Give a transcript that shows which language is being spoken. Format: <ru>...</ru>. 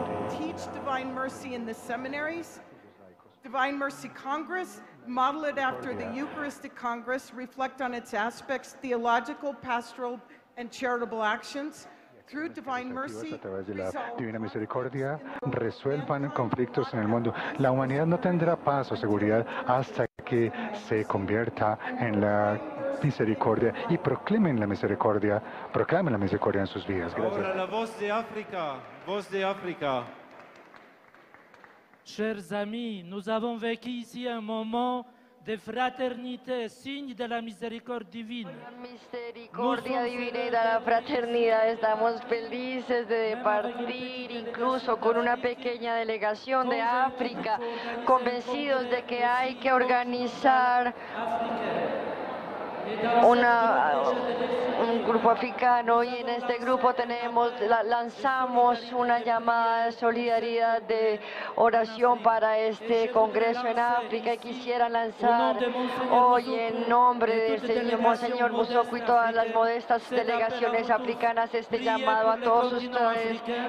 <en>teach divine mercy in the seminaries, divine mercy congress, model it after the Eucharistic congress, reflect on its aspects, theological, pastoral, and charitable actions. Through divine mercy,</en> <es>a través de la Divina Misericordia, resuelvan conflictos en el mundo. La humanidad no tendrá paz o seguridad hasta que se convierta en la misericordia y proclamen la misericordia en sus vidas. Gracias. Ahora la voz de África, voz de África.</es> <fr>Chers amis, nous avons vécu ici un moment de fraternité, signe de la miséricorde divine.</fr> <es>Misericordia divina y de la fraternidad, estamos felices de partir incluso con una pequeña delegación de África, convencidos de que hay que organizar un grupo africano, y en este grupo lanzamos una llamada de solidaridad, de oración para este congreso en África, y quisiera lanzar hoy en nombre del Señor Monseñor Musoko y todas las modestas delegaciones africanas este llamado a todos ustedes.</es>